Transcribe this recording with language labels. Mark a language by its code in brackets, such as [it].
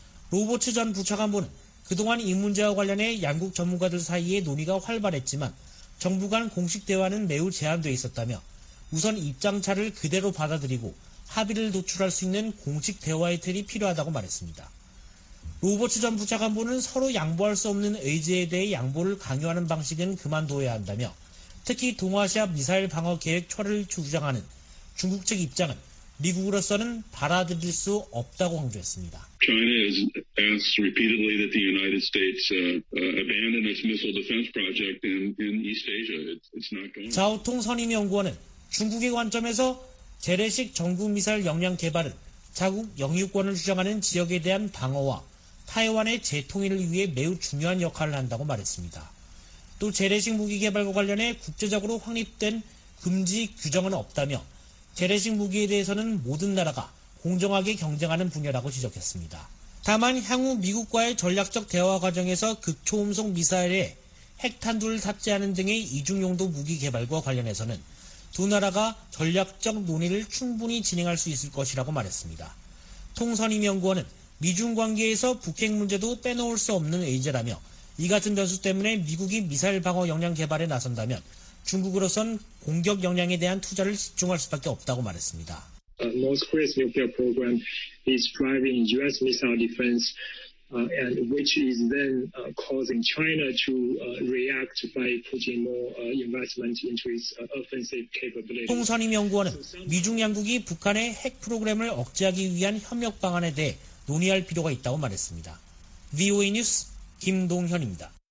[ko] 로버츠 전 부차관보는 그동안 이 문제와 관련해 양국 전문가들 사이의 논의가 활발했지만 정부 간 공식 대화는 매우 제한되어 있었다며 우선 입장차를 그대로 받아들이고 합의를 도출할 수 있는 공식 대화의 틀이 필요하다고 말했습니다. 로버츠 전 부차관보는 서로 양보할 수 없는 의지에 대해 양보를 강요하는 방식은 그만둬야 한다며 특히 동아시아 미사일 방어 계획 철회를 주장하는 중국 측 입장은 미국으로서는 받아들일 수 없다고 강조했습니다. [en] China has asked repeatedly that the United States abandon its missile defense project in East Asia. It's not going. [ko] 자오통 선임 연구원은 중국의 관점에서 재래식 전국 미사일 역량 개발은 자국 영유권을 주장하는 지역에 대한 방어와 타이완의 재통일을 위해 매우 중요한 역할을 한다고 말했습니다. 또 재래식 무기 개발과 관련해 국제적으로 확립된 금지 규정은 없다며 재래식 무기에 대해서는 모든 나라가 공정하게 경쟁하는 분야라고 지적했습니다. 다만 향후 미국과의 전략적 대화 과정에서 극초음속 미사일에 핵탄두를 탑재하는 등의 이중용도 무기 개발과 관련해서는 두 나라가 전략적 논의를 충분히 진행할 수 있을 것이라고 말했습니다. 통선임 연구원은 미중 관계에서 북핵 문제도 빼놓을 수 없는 의제라며 이 같은 변수 때문에 미국이 미사일 방어 역량 개발에 나선다면 중국으로선 공격 역량에 대한 투자를 집중할 수밖에 없다고 말했습니다. [en] North Korea's nuclear program is driving U.S. missile defense, and which is then causing China to react by putting more investment into its offensive capability. [ko] 통선임 연구원은 미중 양국이 북한의 핵 프로그램을 억제하기 위한 협력 방안에 대해 논의할 필요가 있다고 말했습니다. VOA 뉴스 김동현입니다.